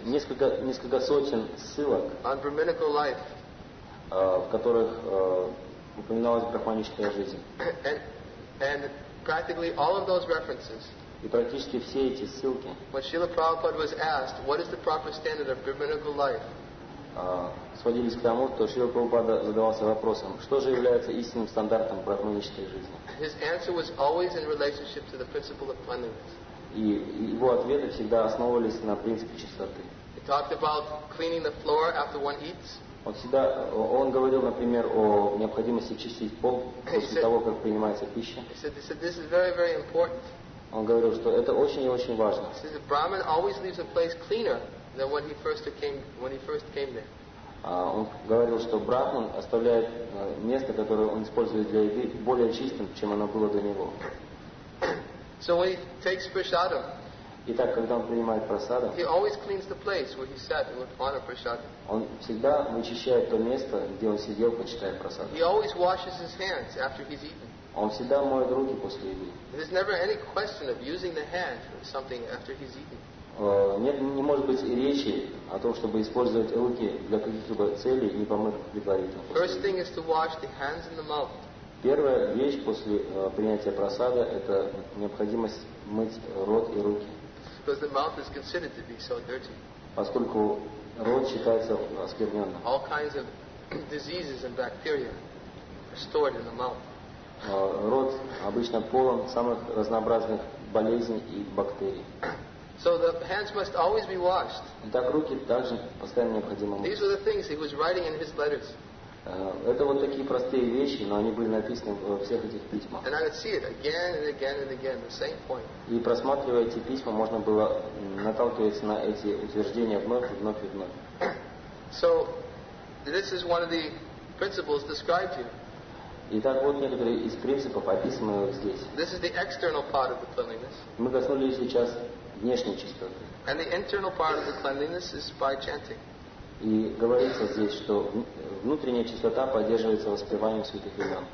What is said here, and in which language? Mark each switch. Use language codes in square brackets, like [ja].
[ru] Несколько сотен ссылок. [en] On brahminical life. [ru] В которых упоминалась брахманическая жизнь. [en] And practically all of those references. [ru] И практически все эти ссылки. [en] When Srila Prabhupada was asked, what is the proper standard of brahminical life? [ru] Сводились к тому, что Шрила Прабхупада задавался вопросом, что же является истинным стандартом брахманической жизни? [en] His answer was always in relationship to the principle of cleanliness. [ru] И его ответы всегда основывались на принципе чистоты. [en] He talked about cleaning the floor after one eats. [ru] Он всегда, он говорил, например, о необходимости чистить пол после того, как принимается пища. [en] He said, this is very, very important. [ru] Он говорил, что это очень и очень важно. [en] He said, the Brahmin always leaves a place cleaner than when he first came there. [ru] Он говорил, что Брахман оставляет место, которое он использует для еды, более чистым, чем оно было до него. [en] So when he takes prasadam. [ru] Итак, когда он принимает прасаду, [en] he always cleans the place where he sat and would honor prasadam. [ru] Он всегда вычищает то место, где он сидел, почитая прасаду. [en] He always washes his hands after he's eaten. [ru] Он всегда моет руки после еды. [en] There's never any question of using the hand for something after he's eaten. [ru] Не может быть и речи о том, чтобы использовать руки для каких-либо целей, не помыв предварительно. [en] First thing is to wash the hands and the mouth. [ru] Первая вещь после принятия прасада – это необходимость мыть рот и руки. [en] Because the mouth is considered to be so dirty. [ru] Поскольку рот считается оскверненным. [en] All kinds of diseases and bacteria are stored in the mouth. [ru] Рот обычно полон самых разнообразных болезней и бактерий. [en] So the hands must always be washed. [ru] Итак, руки также постоянно необходимо мыть. [en] These are the things he was writing in his letters. [ru] Это вот такие простые вещи, но они были написаны во всех этих письмах. [en] And I would see it again and again and again, the same point. [ru] И просматривая эти письма, можно было наталкиваться на эти утверждения вновь и вновь и вновь. [en] So this is one of the principles described here. [ru] Итак, вот некоторые из принципов, описанные вот здесь. [en] This is the external part of the cleanliness. [ru] Мы коснулись сейчас внешней чистоты. [en] And the internal part of the cleanliness is by chanting. [ru] И говорится здесь, что внутренняя чистота поддерживается воспеванием святых имен.